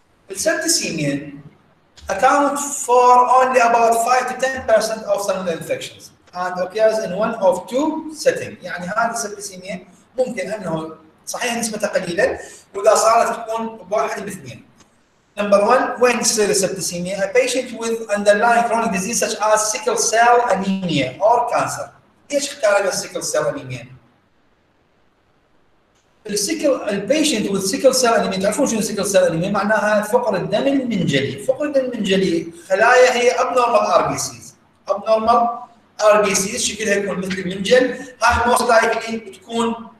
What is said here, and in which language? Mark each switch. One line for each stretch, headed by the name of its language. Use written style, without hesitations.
English: السبتسيميا account for only about 5 to 10% of some infections and occurs in one of two settings،
Arabic: يعني هذا السبتسيميا ممكن انه صحيح نسبة قليلة واذا صارت تكون بواحد باثنين،
English: Number one, when cell septicemia, a patient with underlying chronic disease such as sickle cell anemia or cancer.
Arabic: ايش اختلاف السيكل سيل انيميا؟ السيكل
English: البيشنت with sickle cell anaemia,
Arabic: تعرفون شنو سيكل سيل انيميا؟ معناها فقر الدم المنجلي، فقر الدم المنجلي خلايا هي
English: abnormal R B Cs,
Arabic: ابنورمال ار بي سيز شكلها يكون مثل المنجل، هاي
English: most likely
Arabic: تكون